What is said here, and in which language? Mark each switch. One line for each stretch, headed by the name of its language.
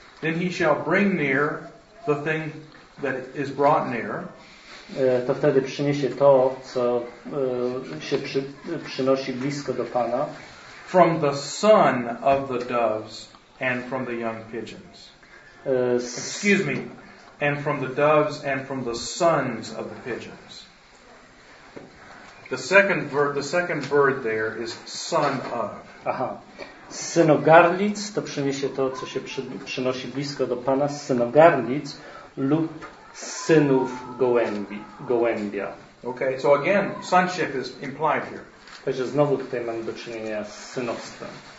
English: then he shall bring near the thing that is brought near.
Polish: To wtedy przyniesie to, co się przynosi blisko do Pana.
English: From the son of the doves and from the young pigeons. Excuse me. And from the doves and from the sons of the pigeons. The second bird there is son of. Aha.
Polish: Synogarlic to przyniesie to, co się przynosi blisko do Pana. Synogarlic lub synów gołębia.
English: Okay, so again, sonship is implied here.
Polish: Także znowu tutaj mamy do czynienia z synowstwem.